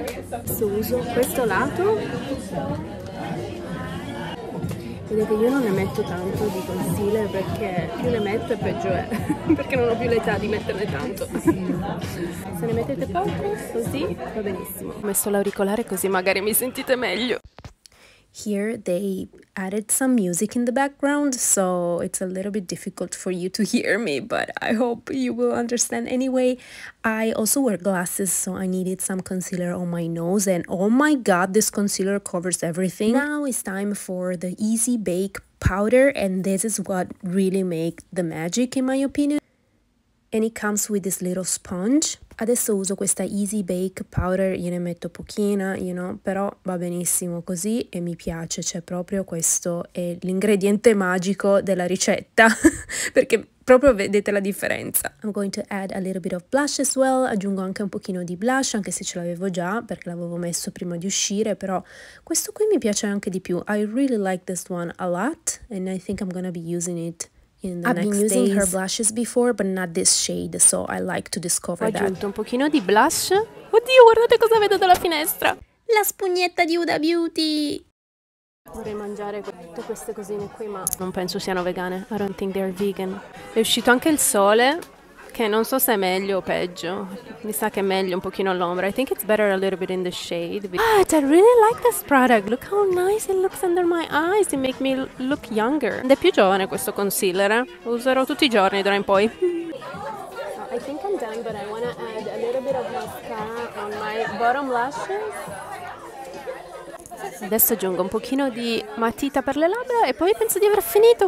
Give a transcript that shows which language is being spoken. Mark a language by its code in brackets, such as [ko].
[it] Adesso uso questo lato. Vedete, io non ne metto tanto di concealer perché più ne metto peggio è, perché non ho più l'età di metterne tanto. Se ne mettete poco, così va benissimo. Ho messo l'auricolare così magari mi sentite meglio. [en] Here they added some music in the background, so it's a little bit difficult for you to hear me, but I hope you will understand anyway. I also wear glasses, so I needed some concealer on my nose, and oh my god, this concealer covers everything. Now it's time for the Easy Bake powder, and this is what really makes the magic in my opinion. And it comes with this little sponge. [it] Adesso uso questa Easy Bake powder, io ne metto pochina, you know, però va benissimo così e mi piace, cioè proprio questo è l'ingrediente magico della ricetta, perché proprio vedete la differenza. [en] I'm going to add a little bit of blush as well, [it] aggiungo anche un pochino di blush, anche se ce l'avevo già, perché l'avevo messo prima di uscire, però questo qui mi piace anche di più. [en] I really like this one a lot, and I think I'm gonna be using it. I've been using her blushes before, but not this shade, so I like to discover that. [it] Ho aggiunto un pochino di blush. Oddio, guardate cosa vedo dalla finestra! La spugnetta di Huda Beauty! Vorrei mangiare tutte queste cosine qui, ma non penso siano vegane. [en] I don't think they're vegan. [it] È uscito anche il sole, che non so se è meglio o peggio. Mi sa che è meglio un pochino all'ombra. [en] I think it's better a little bit in the shade. But I really like this product. Look how nice it looks under my eyes. It makes me look younger. [it] Ed è più giovane questo concealer. Lo userò tutti i giorni d'ora in poi. [en] I think I'm done, but I want to add a little bit of mascara on my bottom lashes. [it] Adesso aggiungo un pochino di matita per le labbra e poi penso di aver finito.